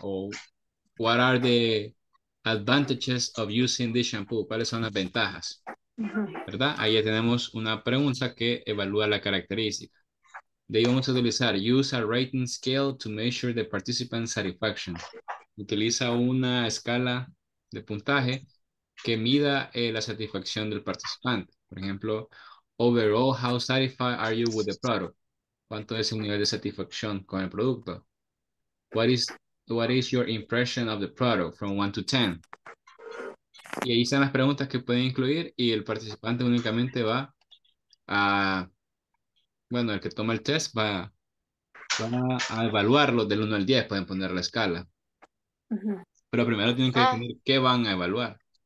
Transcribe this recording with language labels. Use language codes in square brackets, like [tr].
[en] O what are the advantages of using this shampoo? [es] ¿Cuáles son las ventajas? ¿Verdad? Ahí ya tenemos una pregunta que evalúa la característica. De ahí vamos a utilizar, [en] use a rating scale to measure the participant satisfaction. [es] Utiliza una escala de puntaje que mida la satisfacción del participante. Por ejemplo, [en] overall, how satisfied are you with the product? [es] ¿Cuánto es el nivel de satisfacción con el producto? [en] What is your impression of the product from 1 to 10? [es] Y ahí están las preguntas que pueden incluir y el participante únicamente va a, bueno, el que toma el test va a evaluarlo del 1 al 10, pueden poner la escala. Pero primero tienen que definir qué van a evaluar.